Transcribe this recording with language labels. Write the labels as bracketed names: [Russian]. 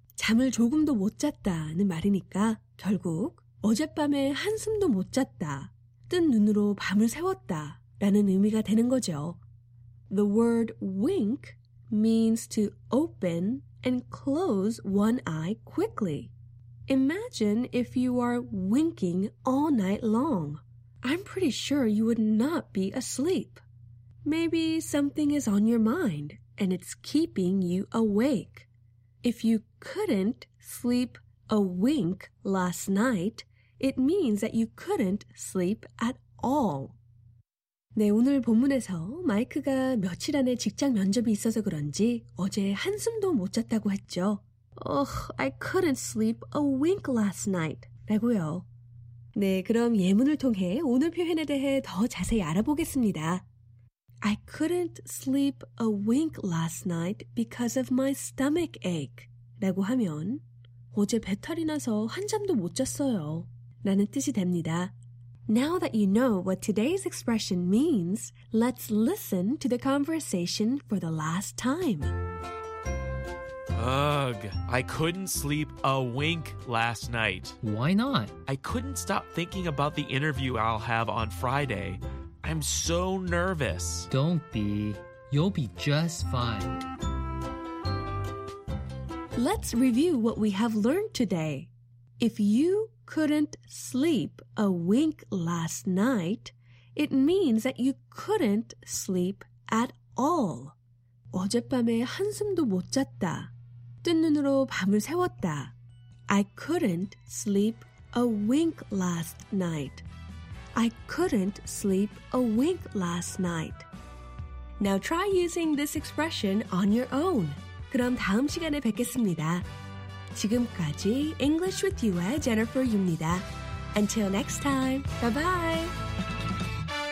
[Korean] 잠을 조금도 못 잤다는 말이니까 결국 어젯밤에 한숨도 못 잤다. 뜬 눈으로 밤을 새웠다 라는 의미가 되는 거죠. [English] The word wink means to open and close one eye quickly. Imagine if you are winking all night long. I'm pretty sure you would not be asleep. Maybe something is on your mind and it's keeping you awake. If you couldn't sleep a wink last night, it means that you couldn't sleep at all. [Korean] 네, 오늘 본문에서 마이크가 며칠 안에 직장 면접이 있어서 그런지 어제 한숨도 못 잤다고 했죠. [English] Ugh, I couldn't sleep a wink last night. [Korean] 라고요. 네, 그럼 예문을 통해 오늘 표현에 대해 더 자세히 알아보겠습니다. [English] I couldn't sleep a wink last night because of my stomach ache. [Korean] 라고 하면 어제 배탈이 나서 한잠도 못 잤어요. 라는 뜻이 됩니다. [English] Now that you know what today's expression means, let's listen to the conversation for the last time. Ugh, I couldn't sleep a wink last night. Why not? I couldn't stop thinking about the interview I'll have on Friday. I'm so nervous. Don't be. You'll be just fine. Let's review what we have learned today. If you couldn't sleep a wink last night, it means that you couldn't sleep at all. [Korean] 어젯밤에 한숨도 못 잤다. 뜬 눈으로 밤을 새웠다. [English] I couldn't sleep a wink last night. I couldn't sleep a wink last night. Now try using this expression on your own. [Korean] 그럼 다음 시간에 뵙겠습니다. 지금까지 English with You의 Jennifer Yu입니다. [English] Until next time, bye-bye!